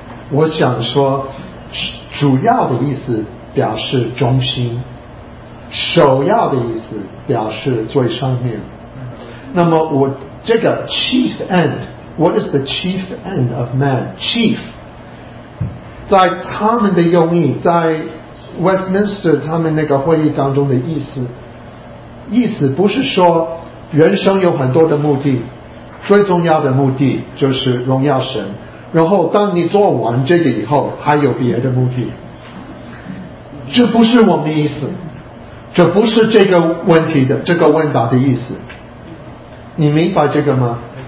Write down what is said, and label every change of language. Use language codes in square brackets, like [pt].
[zh] 我想说，主要的意思表示中心，首要的意思表示最上面。那么我这个 [en] chief end, what is the chief end of man? [zh] Chief, 在他们的用意，在 Westminster 他们那个会议当中的意思不是说人生有很多的目的，最重要的目的就是荣耀神，然后当你做完这个以后还有别的目的，这不是我们的意思，这不是这个问题的这个问答的意思，你明白这个吗？